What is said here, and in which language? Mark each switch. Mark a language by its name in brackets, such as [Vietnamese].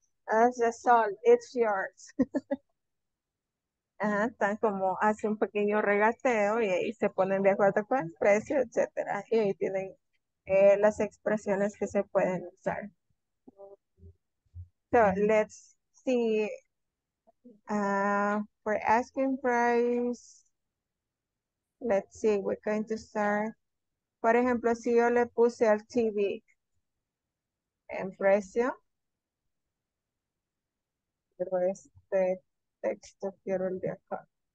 [English] That's all, it's yours. [Spanish] Ajá, están como, hace un pequeño regateo y ahí se ponen de acuerdo con el precio, etcétera. Y ahí tienen las expresiones que se pueden usar. [English] So, let's see. For asking price, let's see, we're going to start. [Spanish] Por ejemplo, si yo le puse al TV en precio, este texto, quiero el de acá.